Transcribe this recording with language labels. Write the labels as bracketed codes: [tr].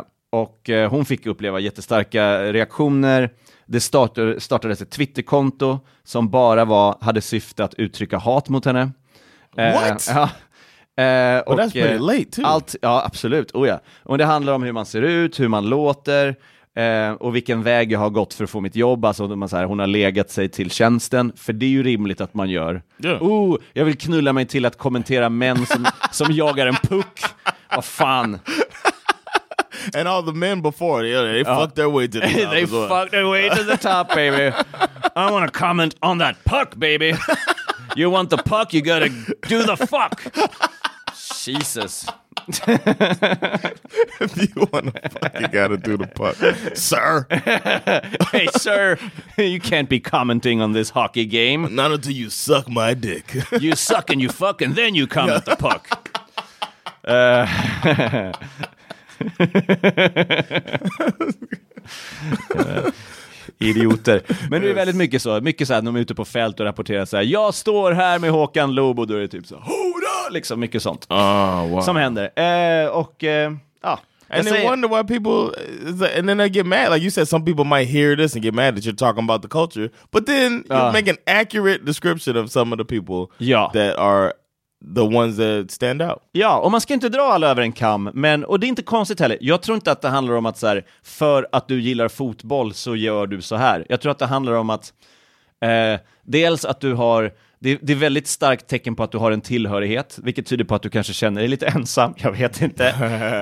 [sv] Och hon fick uppleva jättestarka reaktioner. Det startade ett Twitterkonto som bara hade syfte att uttrycka hat mot henne. [en] What? Ja. Well, that's pretty late too. [sv] Ja, absolut. [en] Oh, yeah. [sv] Och det handlar om hur man ser ut, hur man låter, och vilken väg jag har gått för att få mitt jobb. Alltså, man, så här, hon har legat sig till tjänsten. För det är ju rimligt att man gör. [en] Yeah. [sv] Oh, jag vill knulla mig till att kommentera män som jagar en puck. Vad fan. [en] And all the men before, they fucked their way to the top. They fucked their way to the top, baby. I want to comment on that puck, baby. You want the puck, you gotta do the fuck. Jesus. If you want to fuck, you got to do the puck, sir. Hey, sir, you can't be commenting on this hockey game. Not until you suck my dick. You suck and you fuck and then you comment the puck. [sv] Idioter. Men det är väldigt mycket så. Mycket så här, de är ute på fält och rapporterar så här. Jag står här med Håkan Lobo. Då är det typ så, hora! Liksom mycket sånt. [en] Oh, wow. [sv] Som händer. [en] And then wonder why people, and then they get mad. Like you said, some people might hear this and get mad that you're talking about the culture. But then you make an accurate description of some of the people that are the ones that stand out. [sv] Ja, och man ska inte dra alla över en kam, men, och det är inte konstigt heller. Jag tror inte att det handlar om att så här, för att du gillar fotboll så gör du så här. Jag tror att det handlar om att dels att du har, det är väldigt starkt tecken på att du har en tillhörighet, vilket tyder på att du kanske känner dig lite ensam, jag vet inte.